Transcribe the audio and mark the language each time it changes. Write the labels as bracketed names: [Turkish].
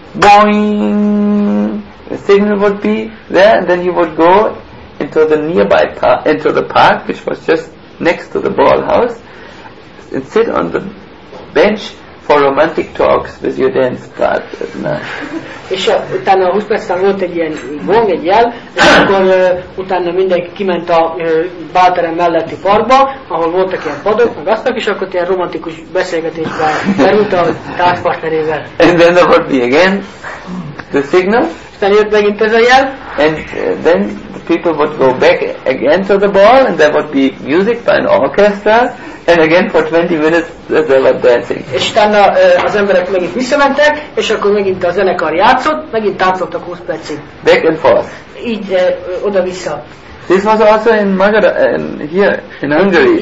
[English] Boing! The signal would be there, and then you would go into the nearby park, into the park, which was just next to the ball house, and sit on the bench for romantic talks with your dance partner. [Hungarian] És utána 20 perc után volt egy ilyen gong, egy jel, és akkor utána mindenki kiment a bálterem melletti parkba, ahol voltak ilyen padok, meg aztak, és akkor ilyen romantikus beszélgetésbe került a társpartnerével. [English] And then there would be again the signal. [Hungarian] Aztán jött megint ez a jel. [English] And then the people would go back again to the ball, and there would be music by an orchestra, and again for 20 minutes they were dancing. [Hungarian] És utána az emberek megint visszamentek, és akkor megint a zenekar játszott, megint táncoltak 20 percig. [English] Back and forth. [Hungarian] Így oda-vissza. [English] This was also in Magyar, here in Hungary.